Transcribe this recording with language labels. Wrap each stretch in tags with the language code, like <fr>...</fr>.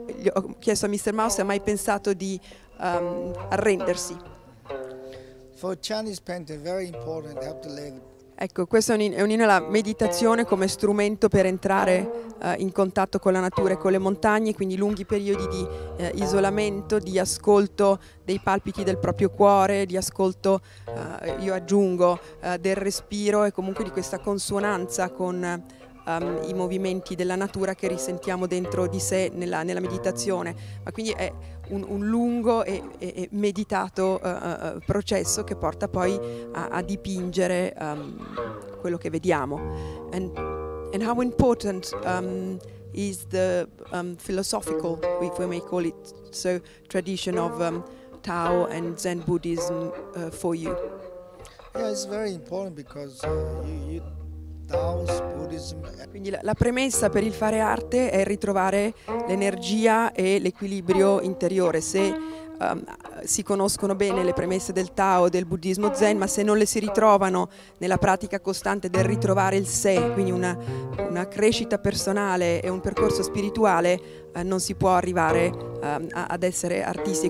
<it>Gli ho chiesto a Mr. Mao se ha mai pensato di arrendersi.</it> <en>For Chinese painting, very important, have to learn.</en> <it>Ecco, questo è un inno alla meditazione come strumento per entrare in contatto con la natura e con le montagne, quindi lunghi periodi di isolamento, di ascolto dei palpiti del proprio cuore, di ascolto, io aggiungo, del respiro e comunque di questa consonanza con i movimenti della natura che risentiamo dentro di sé nella meditazione. Ma quindi è un lungo e meditato processo che porta poi a dipingere quello che vediamo.</it> <en>And how important is the philosophical, if we may call it so, tradition of Tao and Zen Buddhism for you? Yeah, it's very important because you Taoist Buddhism.</en> <it>Quindi la premessa per il fare arte è ritrovare l'energia e l'equilibrio interiore. Se si conoscono bene le premesse del Tao, del buddismo Zen, ma se non le si ritrovano nella pratica costante del ritrovare il sé, quindi una crescita personale e un percorso spirituale, non si può arrivare ad essere artisti.</it>